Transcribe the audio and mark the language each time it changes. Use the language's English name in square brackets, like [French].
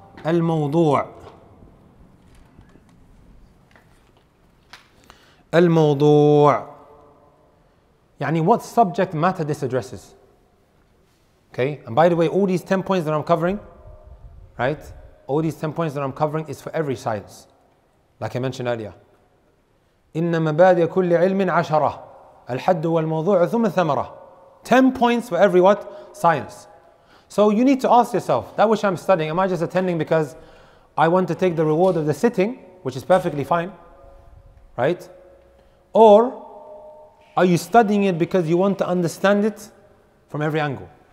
[English] Al-Mawdu' Al-Mawdu' Yani what subject matter this addresses? Okay, and by the way, all these 10 points that I'm covering, right? All these 10 points that I'm covering is for every science. Like I mentioned earlier. [Arabic] إِنَّ مَبَادِيَ كُلِّ عِلْمٍ عَشَرَةً الْحَدُّ وَالْمَوْضُوعُ ثُمَّ ثَمَرَةً [English] 10 points for every what? Science. So you need to ask yourself, that which I'm studying, am I just attending because I want to take the reward of the sitting, which is perfectly fine, right? Or are you studying it because you want to understand it from every angle?